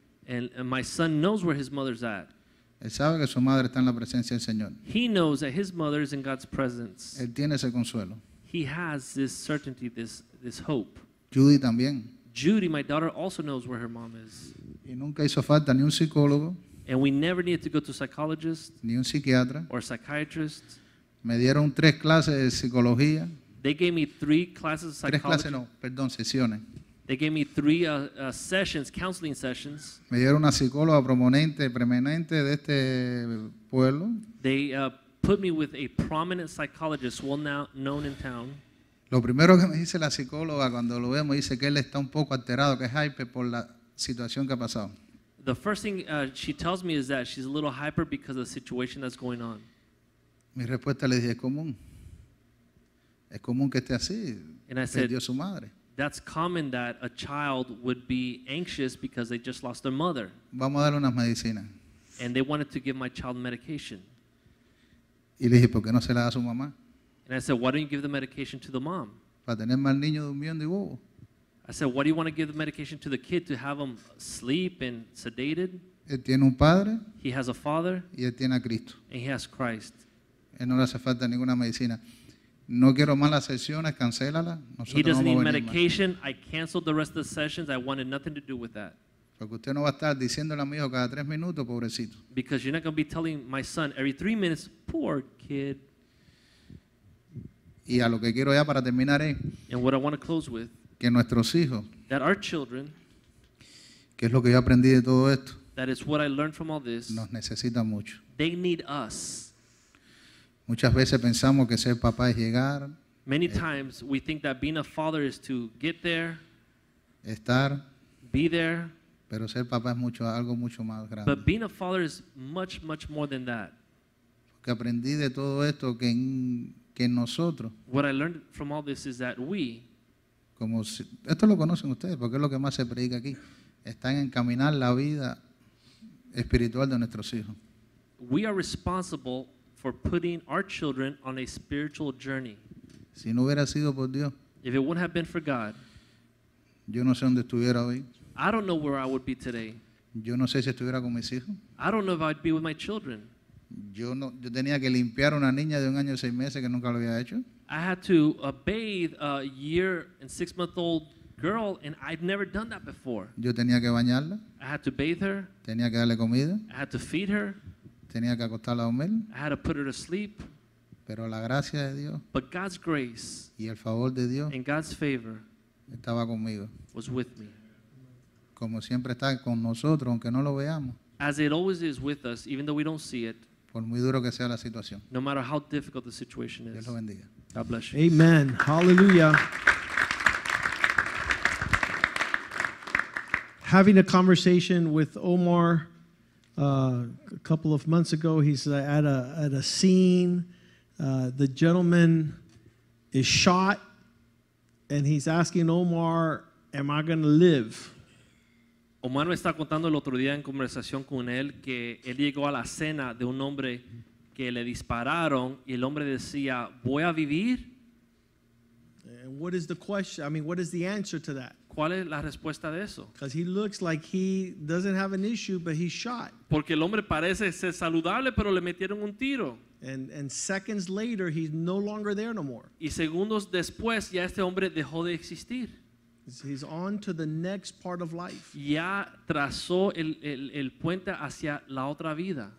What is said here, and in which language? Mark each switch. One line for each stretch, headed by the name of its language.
English: And my son knows where his mother's at.
Spanish: Él sabe que su madre está en la presencia del Señor.
English: He knows that his mother is in God's presence.
Spanish: Él tiene ese consuelo.
English: He has this certainty, this hope.
Spanish: Judy también.
English: Judy, my daughter, also knows where her mom is.
Spanish: Y nunca hizo falta ni un psicólogo.
English: And we never needed to go to a psychologist.
Spanish: Ni un psiquiatra.
English: Or a psychiatrist.
Spanish: Me dieron 3 clases de psicología.
English: They gave me 3 classes of psychology.
Spanish: 3 clases no, perdón, sesiones.
English: They gave me 3 sessions, counseling sessions.
Spanish: Me dieron una psicóloga prominente de este pueblo.
English: They put me with a prominent psychologist, well now known in town.
Spanish: Lo primero que me dice la psicóloga cuando lo vemos, dice que él está un poco alterado, que es hyper por la situación que ha pasado.
English: The first thing she tells me is that she's a little hyper because of the situation that's going on.
Spanish: Mi respuesta le dije, es común. Es común que esté así.
English: And I said,
Spanish: perdió su madre.
English: That's common that a child would be anxious because they just lost their mother.
Spanish: Vamos a darle unas medicinas.
English: And they wanted to give my child medication.
Spanish: Y le dije, ¿por qué no se la da a su mamá?
English: And I said, why don't you give the medication to the mom?
Spanish: Para tener mal niño durmiendo y bobo.
English: I said, why do you want to give the medication to the kid to have him sleep and sedated?
Spanish: Él tiene un padre.
English: He has a father.
Spanish: Y él tiene a Cristo.
English: And he has Christ.
Spanish: Él no le hace falta ninguna medicina. No quiero más las sesiones, cancélala.
English: He doesn't need medication. I canceled the rest of the sessions. I wanted nothing to do with that.
Spanish: Porque usted no va a estar diciéndole a mi hijo cada tres minutos, pobrecito.
English: Because you're not going to be telling my son every 3 minutes, poor kid.
Spanish: Y a lo que quiero ya para terminar es.
English: And what I want to close with.
Spanish: Que nuestros hijos.
English: That our children.
Spanish: Que es lo que yo aprendí de todo esto.
English: That is what I learned from all this.
Spanish: Nos necesitan mucho.
English: They need us.
Spanish: Muchas veces pensamos que ser papá es llegar.
English: Many times we think that being a father is to get there.
Spanish: Estar.
English: Be there.
Spanish: Pero ser papá es mucho, algo mucho más grande.
English: But being a father is much, much more than that.
Spanish: Porque aprendí de todo esto que en, que nosotros.
English: What I learned from all this is that we.
Spanish: Como si, esto lo conocen ustedes porque es lo que más se predica aquí. Están en caminar la vida espiritual de nuestros hijos.
English: We are responsible for putting our children on a spiritual journey.
Spanish: Si no hubiera sido por Dios,
English: if it wouldn't have been for God,
Spanish: yo no sé dónde estuviera hoy.
English: I don't know where I would be today.
Spanish: Yo no sé si estuviera con mis hijos.
English: I don't know if I'd be with my children.
Spanish: Yo tenía que limpiar una niña de un año y seis meses que nunca lo había hecho.
English: I had to bathe a year and 6 month old girl, and I'd never done that before.
Spanish: Yo tenía que bañarla.
English: I had to bathe her.
Spanish: Tenía que darle comida.
English: I had to feed her.
Spanish: Tenía que acostarla a dormir.
English: I had to put her to sleep.
Spanish: Pero la gracia de Dios.
English: But God's grace.
Spanish: Y el favor de Dios.
English: And God's favor.
Spanish: Estaba conmigo.
English: Was with me.
Spanish: Como siempre está con nosotros, aunque no lo veamos.
English: As it always is with us, even though we don't see it.
Spanish: Por muy duro que sea la situación.
English: No matter how difficult the situation is.
Spanish: Dios lo bendiga.
English: God bless you. Amen. Hallelujah. Having a conversation with Omar a couple of months ago, he's at a scene. The gentleman is shot, and he's asking Omar, "Am I going to live?"
Spanish: Omar me está contando el otro día en conversación con él que él llegó a la cena de un hombre que le dispararon, y el hombre decía, "¿Voy a vivir?"
English: And what is the question? I mean, what is the answer to that?
Spanish: ¿Cuál es la respuesta de eso?
English: Because he looks like he doesn't have an issue, but he's shot.
Spanish: Porque el hombre parece ser saludable, pero le metieron un tiro.
English: And seconds later, he's no longer there no more.
Spanish: Y segundos después, ya este hombre dejó de existir.
English: He's on to the next part of life.
Spanish: Ya trazó el puente hacia la otra vida.